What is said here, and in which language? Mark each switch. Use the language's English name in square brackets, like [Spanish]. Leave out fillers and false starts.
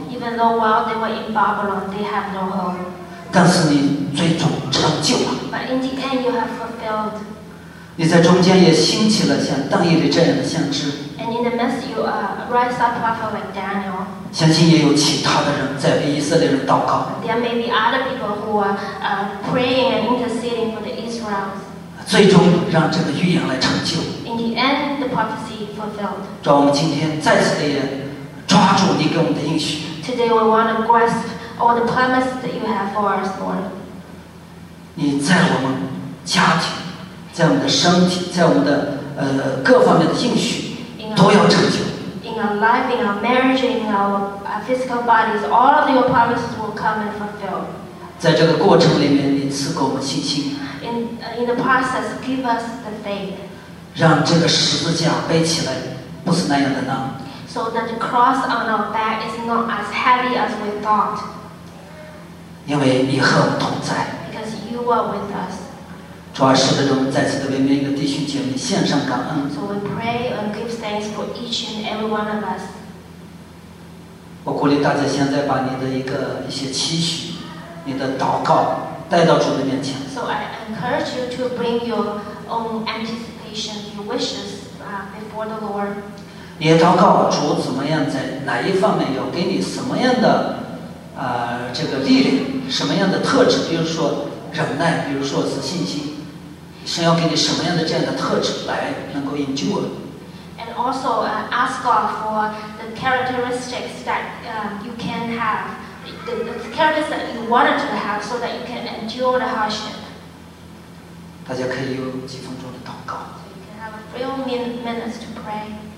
[English] Even though while they were in Babylon, they have no hope. [Chinese] 但是你最终成就了。 [English] But in the end, you have fulfilled. [Chinese] 你在中间也兴起了像但以理这样的先知。 [English] And in the midst, you rise up prophet like Daniel. [Chinese] 相信也有其他的人在为以色列人祷告。 [English] There may be other people who are praying and interceding for the Israelites. [Chinese] 最终让这个预言来成就。 [English] In the end, the prophecy fulfilled. [Chinese] 主，我们今天再次的也抓住你给我们的应许。 [English] Today we want to grasp all the promises that you have for us, Lord. [Chinese] 你在我们家庭，在我们的身体，在我们的各方面的应许都要成就。 [English] In our life, in our marriage, in our physical bodies, all of your promises will come and fulfill. [Chinese] 在这个过程里面，你赐给我们信心。 [English] In the process, give us the faith. [Chinese] 让这个十字架背起来不是那样的难。 [English] So that the cross on our back is not as heavy as we thought. [Chinese] 因为你和我们同在。 [English] Because you are with us. [Chinese] 主啊，十分钟，再次的为每一个弟兄姐妹献上感恩。 [English] So we pray and give thanks for each and every one of us. [Chinese] 我鼓励大家现在把你的一些期许，你的祷告带到主的面前。 [English] So I encourage you to bring your own anticipation, your wishes, before the Lord. [Chinese] 你祷告主怎么样，在哪一方面有给你什么样的这个力量，什么样的特质，比如说忍耐，比如说是信心，神要给你什么样的这样的特质来能够 endure。 [English] And also ask God for the characteristics that you can have, the characteristics that you wanted to have, so that you can endure the hardship. [Chinese] 大家可以有几分钟的祷告。 [English] You can have a few minutes to pray.